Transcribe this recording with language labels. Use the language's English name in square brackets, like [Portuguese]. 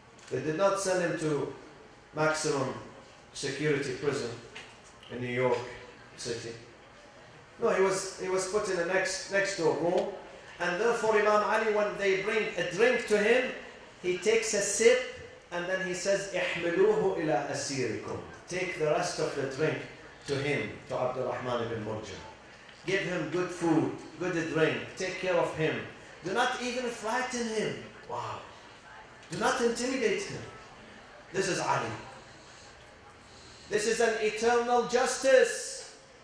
[English] They did not send him to maximum security prison in New York City. No, he was put in the next door room. And therefore Imam Ali, when they bring a drink to him, he takes a sip. And then he says, [Arabic] احملوه إلى أسيركم. [English] Take the rest of the drink to him, to Abd al-Rahman ibn Murjah. Give him good food, good drink. Take care of him. Do not even frighten him. Wow. Do not intimidate him. This is Ali. This is an eternal justice.